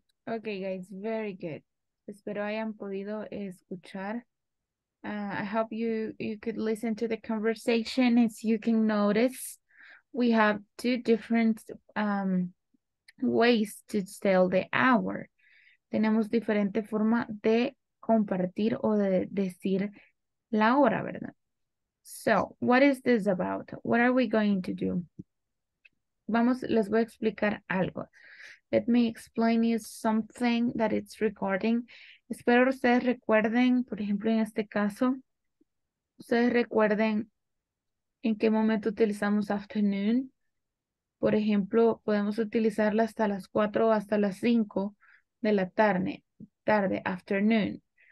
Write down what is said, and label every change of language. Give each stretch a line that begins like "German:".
English: Okay, guys, very good.
Spanish: Espero hayan podido escuchar.
English: I hope you could listen to the conversation. As you can notice, we have two different ways to tell the hour.
Spanish: Tenemos diferente forma de compartir o de decir la hora, ¿verdad?
English: So, what is this about? What are we going to do?
Spanish: Vamos, les voy a explicar algo.
English: Let me explain you something that it's recording.
Spanish: Espero ustedes recuerden, por ejemplo, en este caso, ustedes recuerden en qué momento utilizamos afternoon. Por ejemplo, podemos utilizarla hasta las 4 o hasta las 5 de la tarde, afternoon.